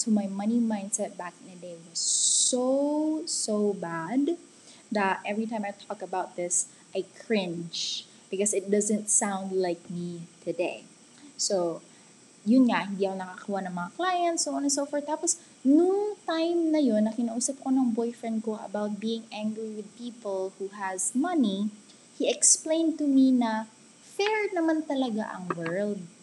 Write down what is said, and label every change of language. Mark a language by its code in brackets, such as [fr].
[en] So, my money mindset back in the day was so, so bad that every time I talk about this, I cringe because it doesn't sound like me today. [tl] So, yun nga, hindi ako nakakuha ng mga clients, so on and so forth. Tapos, nung time na yun, na kinausap ko ng boyfriend ko [en] about being angry with people who has money, he explained to me na fair naman talaga ang world.